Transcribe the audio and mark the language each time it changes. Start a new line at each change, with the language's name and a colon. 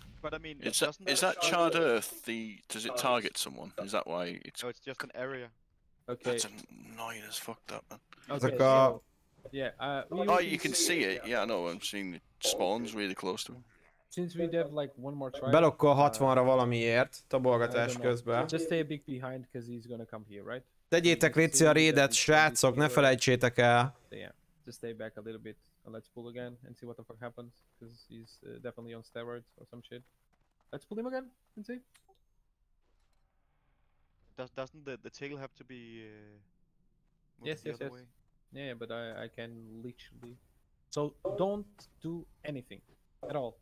English: But I mean, is that charred earth the... Does it target someone? Is that why it's... No, it's just an area. Okay. That's annoying as fuck, that man. Yeah, you can see it. Yeah, I know, I'm seeing it spawns really close to him. Since we have like one more try...
Hungarian: Belokkol 60-ra valamiért, tabolgatás közben.
English: Just stay a big behind, because he's gonna come here, right?
Hungarian: Tegyétek létszi a raidet, srácok, ne felejtsétek el!
English: Yeah, just stay back a little bit. Let's pull again and see what the fuck happens, because he's definitely on steroids or some shit. Let's pull him again and see. Doesn't the tail have to be Yes. Yeah, but I can literally... So don't do anything at all.